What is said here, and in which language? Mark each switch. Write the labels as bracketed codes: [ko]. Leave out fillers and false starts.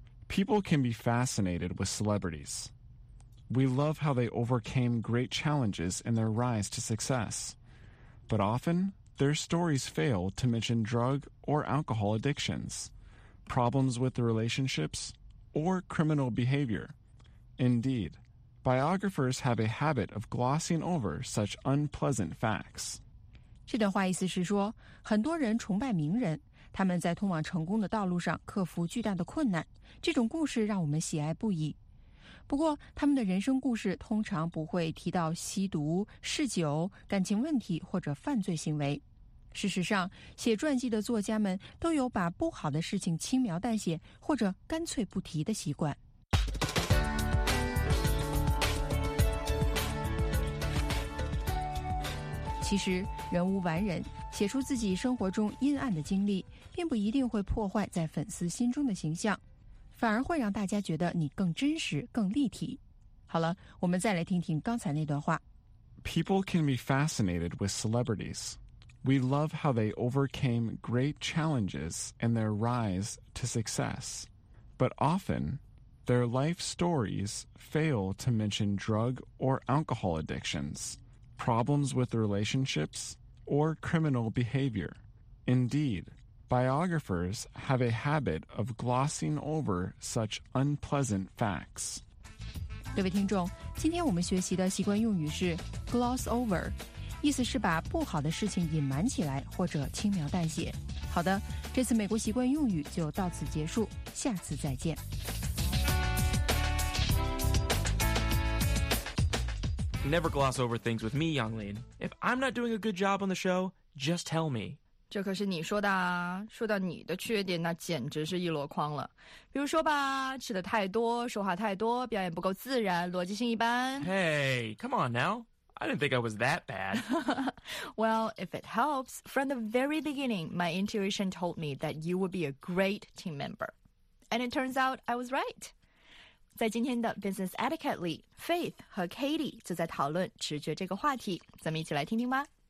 [en] People can be fascinated with celebrities. We love how they overcame great challenges in their rise to success. But often, their stories fail to mention drug or alcohol addictions, problems with relationships,or criminal behavior. Indeed, biographers have a habit of glossing over such unpleasant facts. [zh] 这段话意思是说，很多人崇拜名人，他们在通往成功的道路上克服巨大的困难，这种故事让我们喜爱不已。不过，他们的人生故事通常不会提到吸毒、嗜酒、感情问题或者犯罪行为。事实上，写传记的作家们都有把不好的事情轻描淡写或者干脆不提的习惯。其实，人无完人，写出自己生活中阴暗的经历，并不一定会破坏在粉丝心中的形象，反而会让大家觉得你更真实、更立体。好了，我们再来听听刚才那段话。 [en] People can be fascinated with celebrities. We love how they overcame great challenges and their rise to success. But often, their life stories fail to mention drug or alcohol addictions. Problems with relationships, or criminal behavior. Indeed, biographers have a habit of glossing over such unpleasant facts. [zh] 各位听众，今天我们学习的习惯用语是 gloss over, 意思是把不好的事情隐瞒起来或者轻描淡写。好的，这次美国习惯用语就到此结束，下次再见。 [en] Never gloss over things with me, Yonglin. If I'm not doing a good job on the show, just tell me. [zh] 这可是你说的啊。说到你的缺点，那简直是一箩筐了。比如说吧，吃的太多，说话太多，表演不够自然，逻辑性一般。 [en] Hey, come on now. I didn't think I was that bad. Well, if it helps, from the very beginning, my intuition told me that you would be a great team member. And it turns out I was right. [zh] 在今天的 Business Etiquette 里 ,Faith 和 Katie 就在讨论直觉这个话题。咱们一起来听听吧。